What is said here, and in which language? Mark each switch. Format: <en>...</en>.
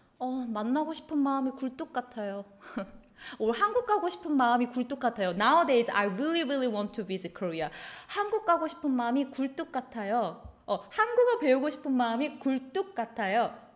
<ko>만나고 싶은 마음이 굴뚝 같아요. 오늘 한국 가고 싶은 마음이 굴뚝 같아요.</ko> <en>Nowadays, I really, really want to visit Korea.</en> <ko>한국 가고 싶은 마음이 굴뚝 같아요. 한국어 배우고 싶은 마음이 굴뚝 같아요.</ko>